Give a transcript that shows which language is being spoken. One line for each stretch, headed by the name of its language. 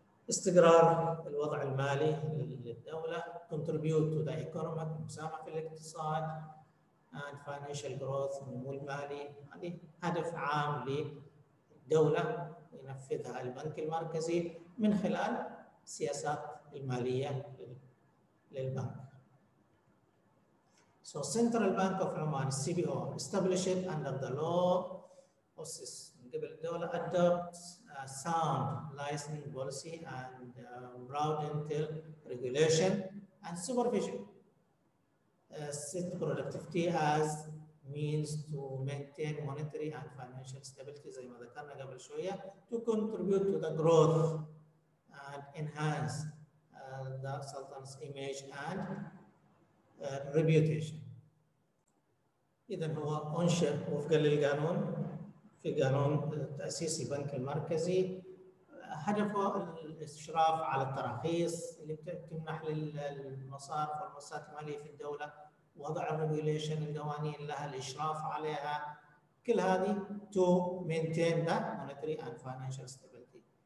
Arabic: استقرار الوضع المالي للدولة
English: contribute to the economic
Arabic: مساهمة في الاقتصاد
English: and financial growth
Arabic: النمو المالي هذه هدف عام للدولة ينفذها البنك المركزي من خلال سياسات المالية للبنك.
English: So Central Bank of Oman CBO established under the law of CIS
Arabic: من قبل الدولة
English: adopts sound licensing policy and broad intel regulation and supervision set productivity as means to maintain monetary and financial stability
Arabic: زي ما ذكرنا قبل شوية
English: to contribute to the growth and enhance the sultan's image and reputation.
Arabic: إذا هو أنشئ وفقا للقانون في قانون تأسيس البنك المركزي هدفه الإشراف على التراخيص اللي بتمنح للمصارف والمؤسسات المالية في الدولة وضع الريجوليشن القوانين لها الإشراف عليها كل هذه
English: to maintain the monetary and financial stability